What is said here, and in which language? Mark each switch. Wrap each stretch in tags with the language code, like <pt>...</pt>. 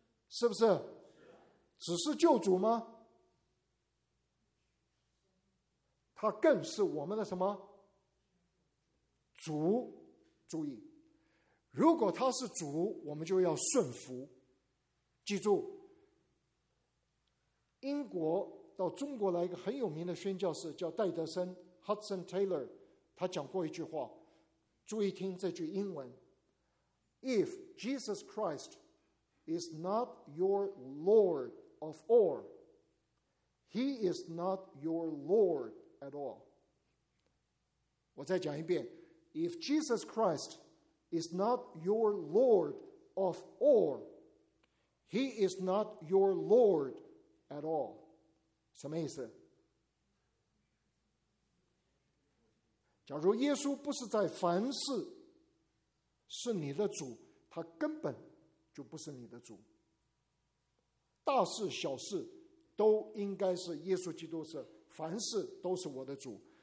<zh>是不是？只是救主吗？他更是我们的什么？主。注意，如果他是主，我们就要顺服。记住，英国到中国来一个很有名的宣教士叫戴德森 Hudson Taylor， 他讲过一句话，注意听这句英文，</zh> <en>If Jesus Christ is not your Lord of all, He is not your Lord at all。</en> <zh>我再讲一遍，</zh> <en>If Jesus Christ is not your Lord of all, He is not your Lord at all。</en> <zh>什么意思？假如耶稣不是在凡事是你的主，他根本就不是你的主。大事小事都应该是耶稣基督是凡事都是我的主。</zh>